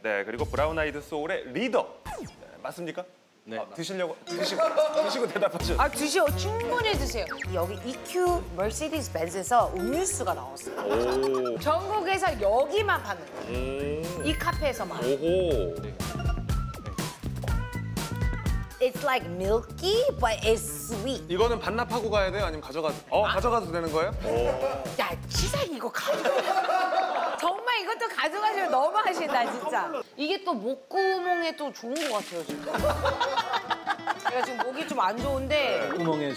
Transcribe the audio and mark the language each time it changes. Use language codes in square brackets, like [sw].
[ko] 네 그리고 브라운 아이드 소울의 리더 네, 맞습니까? 네. 아, 드시려고 드시고 대답하죠. 아 드시오 충분히 드세요. 여기 EQ Mercedes Benz에서 음료수가 나왔어요. 오. 전국에서 여기만 파는 거예요. 이 카페에서만. 오호. [en] it's like milky, but it's sweet. [ko] 이거는 반납하고 가야 돼요? 아니면 가져가도? 어, 아. 가져가도 되는 거예요? 오. 야, 치사이 이거 가져가. 정말 이것도 가져가시면 너무하신다, 진짜. 이게 또 목구멍에 또 좋은 것 같아요, 지금. 제가 지금 목이 좀 안 좋은데. 네. 목구멍에,